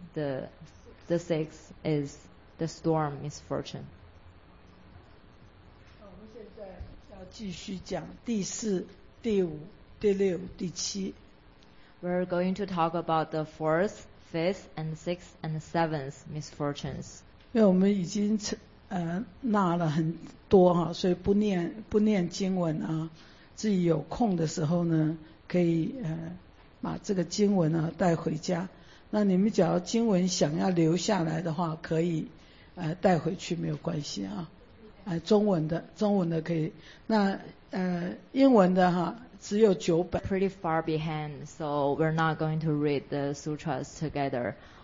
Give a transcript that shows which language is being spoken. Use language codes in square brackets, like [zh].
[en] The sixth is the storm misfortune. [zh] 我们现在要继续讲第四、第五、第六、第七。 [en] We're going to talk about the fourth, fifth, and sixth and seventh misfortunes. [zh] 因为我们已经纳了很多哈，所以不念经文啊，自己有空的时候呢，可以把这个经文啊带回家。那你们只要经文想要留下来的话，可以带回去没有关系啊。中文的可以，那英文的哈只有九本。 [en] Pretty far behind, so we're not going to read the sutras together.